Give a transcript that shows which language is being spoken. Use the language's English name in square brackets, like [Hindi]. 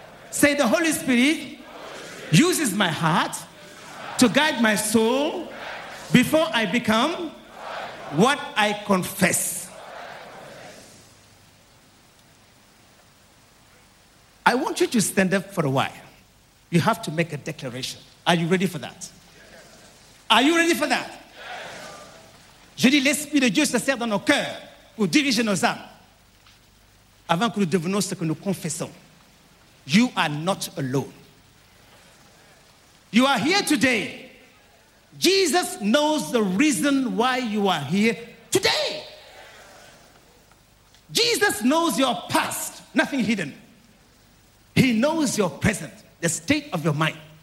[English] Say, the Holy Spirit uses my heart to guide my soul before I become what I confess. I want you to stand up for a while. You have to make a declaration. Are you ready for that? Are you ready for that? [French] Je dis, l'Esprit de Dieu se sert dans nos cœurs pour diriger nos âmes avant que nous devenions ce que nous confessons. [English] You are not alone. You are here today. Jesus knows the reason why you are here today. Jesus knows your past, nothing hidden. He knows your present, the state of your mind.